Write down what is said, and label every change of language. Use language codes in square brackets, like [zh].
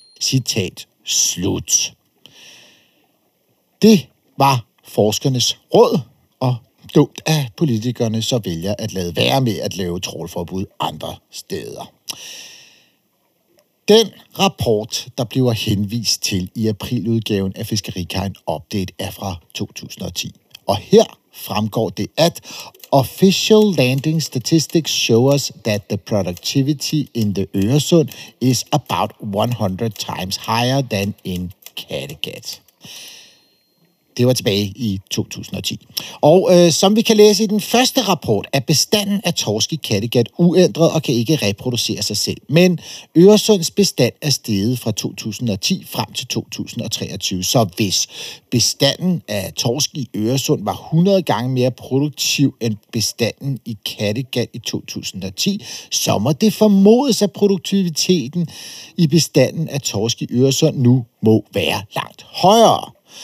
[da] Citat slut. Det var forskernes råd, og dumt af politikerne så vælger at lade være med at lave trålforbud andre steder. Den rapport, der bliver henvist til i april-udgaven af Fiskeri Guide Update, er fra 2010. Og her fremgår det, at [en] official landing statistics show us that the productivity in the Øresund is about 100 times higher than in Kattegat. [da] Det var tilbage i 2010. Og som vi kan læse i den første rapport, er bestanden af torsk i Kattegat uændret og kan ikke reproducere sig selv. Men Øresunds bestand er steget fra 2010 frem til 2023. Så hvis bestanden af torsk i Øresund var 100 gange mere produktiv end bestanden i Kattegat i 2010, så må det formodes, at produktiviteten i bestanden af torsk i Øresund nu må være langt højere.